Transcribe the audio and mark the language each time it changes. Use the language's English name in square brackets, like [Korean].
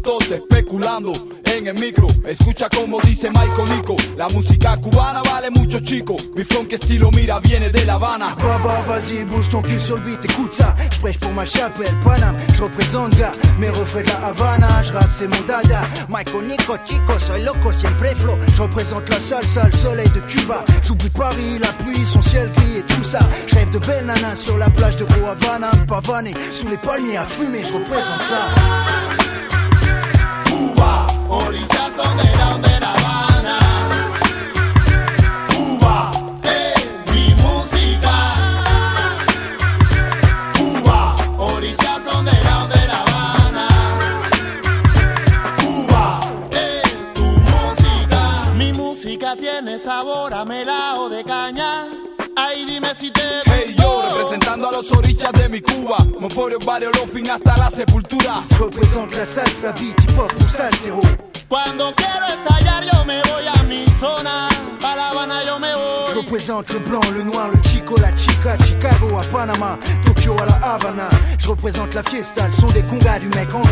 [Spanish] Especulando en el micro, escucha como dice Michael Nico. La música cubana vale mucho, chico. Mi funk estilo, mira, viene de La Habana. [French] Baba, vas-y, bouge ton cul sur le beat, écoute ça. Je prêche pour ma chapelle, Panam. Je représente, gars, mes refrains de la Havana. Je rappe, c'est mon dada. Michael Nico, [Spanish] chico, soy loco, siempre flow. [French] Je représente la salsa, le soleil de Cuba. J'oublie Paris, la pluie, son ciel gris et tout ça. Je rêve de belles nanas sur la plage de Gros Havana. Pavané, sous les palmiers à fumer, je représente ça. [Spanish] Orillas donde la onda de La Habana. Cuba es mi música. Cuba, orillas donde la onda de La Habana. Cuba es tu música. Mi música tiene sabor a melao de caña. Ay, dime si te gustó. Hey, yo, representando a los orichas de mi Cuba. Monforio, barrio, lofing hasta la sepultura. Represento la salsa, beat, pop, pulsar, cero. Cuando quiero estallar yo me voy a mi zona. Pa' La Habana yo me voy. [French] Je représente le blanc, le noir, le chico, la chica. Chicago à Panama, Tokyo à La Habana. Je représente la fiesta, le son des congas du mec en rap.